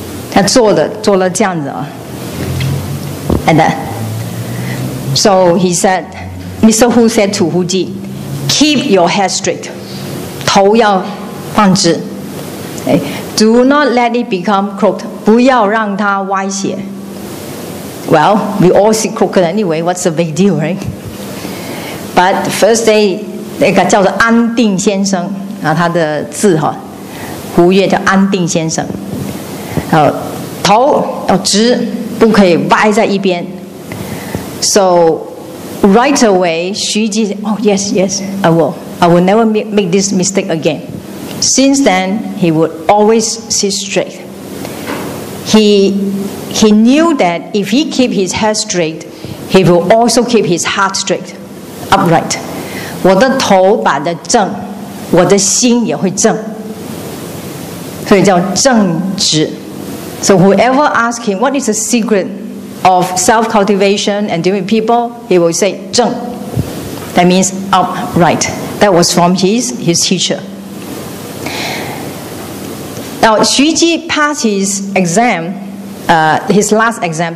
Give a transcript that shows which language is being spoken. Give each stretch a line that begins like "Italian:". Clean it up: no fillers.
Chinese: 他做了这样子,
English: and that. So he said, Mr. Hu said to Hu Ji, keep your head straight,
Chinese: 头要放直,
English: okay? Do not let it become crooked.
Chinese: 不要让它歪斜.
English: Well, we all see crooked anyway. What's the big deal, right? But the first day, they got called An Ding 先生.
Chinese: 他的字, 胡月叫安定先生. 头要直, 不可以歪在一边.
English: So right away, Xu Ji said, oh, yes, yes, I will. I will never make this mistake again. Since then, he would always sit straight. He knew that if he keep his head straight, he will also keep his heart straight, upright.
Chinese: 我的头摆得正, 我的心也会正. 所以叫正直.
English: So whoever asks him, what is the secret of self-cultivation and dealing with people, he will say 正. That means upright. That was from his teacher. Now, Xu Ji passed his exam, his last exam.